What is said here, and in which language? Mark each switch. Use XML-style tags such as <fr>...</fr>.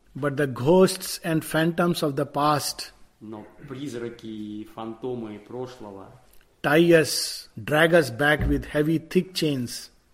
<en>But the ghosts and phantoms of the past,</en> <ru>но призраки и фантомы прошлого,</ru> <en>tie us, drag us back with heavy, thick chains.</en>